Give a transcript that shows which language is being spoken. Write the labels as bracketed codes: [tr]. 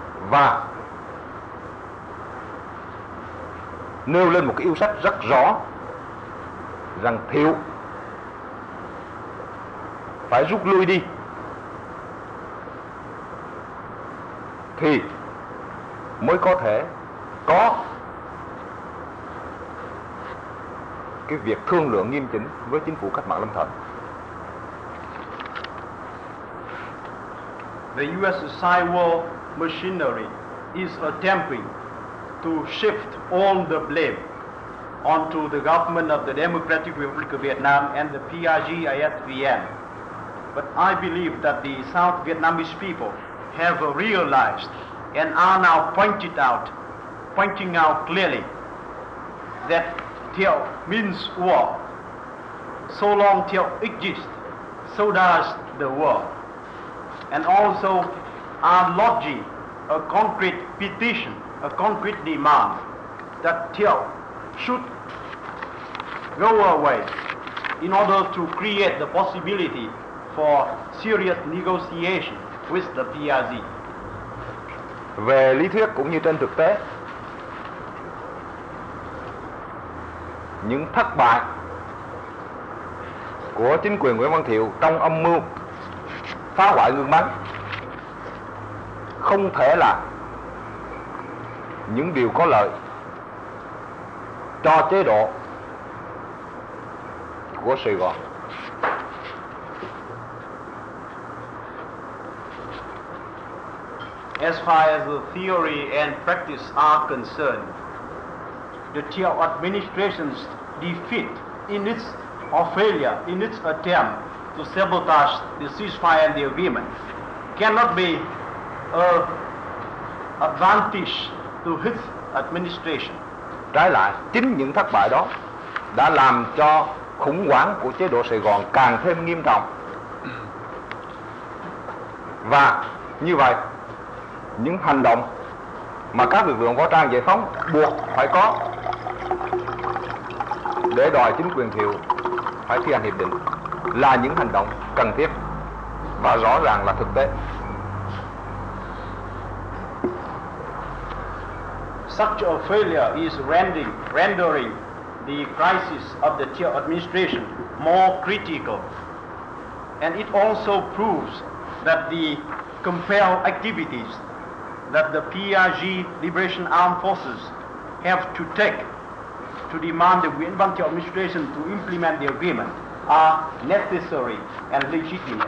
[vi] Và nêu lên một cái yêu sách rất rõ rằng Thiệu phải rút lui đi thì mới có thể có cái việc thương lượng nghiêm chỉnh với chính phủ cách mạng lâm thời. [en] The US sidewall machinery is attempting to shift all the blame onto the government of the Democratic Republic of Vietnam and the PRGISVN. But I believe that the South Vietnamese people have realized and are now pointing out clearly that Thiệu means war. So long Thiệu exists, so does the war. And also are lodging a concrete petition, a concrete demand that Thiệu should go away in order to create the possibility for serious negotiation with the PRG. [vi] Về lý thuyết cũng như trên thực tế, những thất bại của chính quyền Nguyễn Văn Thiệu trong âm mưu phá hoại ngưng bắn không thể là những điều có lợi cho chế độ của Sài Gòn. [en] As far as the theory and practice are concerned, the Thiệu administration's defeat in its or failure in its attempt to sabotage the ceasefire and the agreement cannot be an advantage to its administration. [vi] Trái lại, chính những thất bại đó đã làm cho khủng hoảng của chế độ Sài Gòn càng thêm nghiêm trọng. Và như vậy, những hành động mà các lực lượng võ trang giải phóng buộc phải có để đòi chính quyền Thiệu phải thi hành hiệp định là những hành động cần thiết và rõ ràng là thực tế. [en] Such a failure is rendering the crisis of the Thieu administration more critical, and it also proves that the compelled activities that the PRG Liberation Armed Forces have to take to demand the Nguyễn Văn Thiệu administration to implement the agreement are necessary and legitimate.